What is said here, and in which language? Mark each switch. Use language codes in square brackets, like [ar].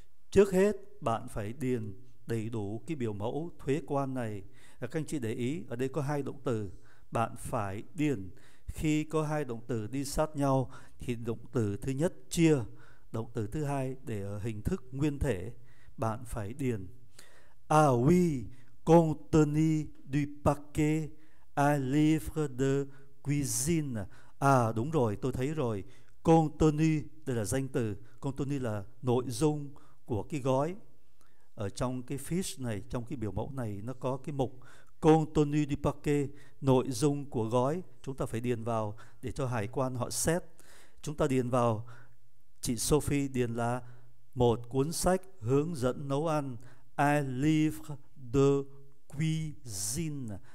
[vi] Trước hết bạn phải điền đầy đủ cái biểu mẫu thuế quan này. Các anh chị để ý ở đây có hai động từ, bạn phải điền. Khi có hai động từ đi sát nhau thì động từ thứ nhất chia, động từ thứ hai để ở hình thức nguyên thể. Bạn phải điền [fr] à oui, contenu du paquet à livre de cuisine. [vi] À đúng rồi, tôi thấy rồi. Contenu, đây là danh từ. Contenu là nội dung của cái gói. Ở trong cái fiche này, trong cái biểu mẫu này, nó có cái mục [fr] Contenu du paquet, [vi] nội dung của gói. Chúng ta phải điền vào để cho hải quan họ xét. Chúng ta điền vào, chị Sophie điền là một cuốn sách hướng dẫn nấu ăn, [fr] à livre de cuisine.